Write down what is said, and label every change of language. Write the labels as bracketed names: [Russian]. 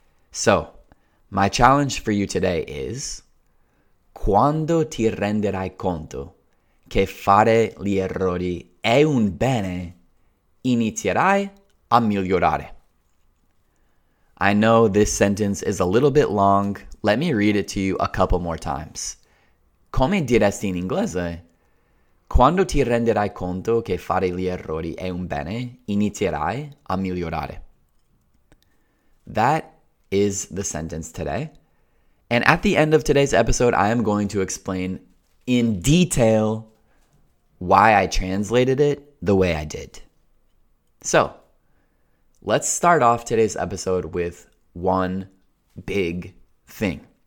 [English] So, my challenge for you today is: [Italian] quando ti renderai conto che fare gli errori è un bene, inizierai a migliorare. [English] I know this sentence is a little bit long. Let me read it to you a couple more times. [Italian] Come diresti in inglese? Quando ti renderai conto che fare gli errori è un bene, inizierai a migliorare. [English] That is the sentence today. And at the end of today's episode, I am going to explain in detail why I translated it the way I did. So, let's start off today's episode with one big thing.